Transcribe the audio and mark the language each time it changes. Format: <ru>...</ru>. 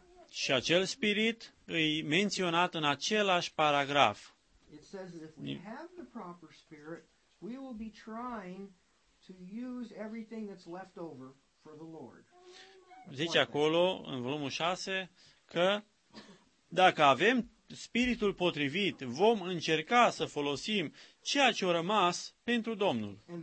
<ro>Și acel spirit e menționat în același paragraf.</ro> <en>It says that if we have the proper spirit, we will be trying to use everything that's left over for the Lord.</en> <ro>Zice acolo, în volumul 6, că dacă avem spiritul potrivit, vom încerca să folosim ceea ce a rămas pentru Domnul.</ro>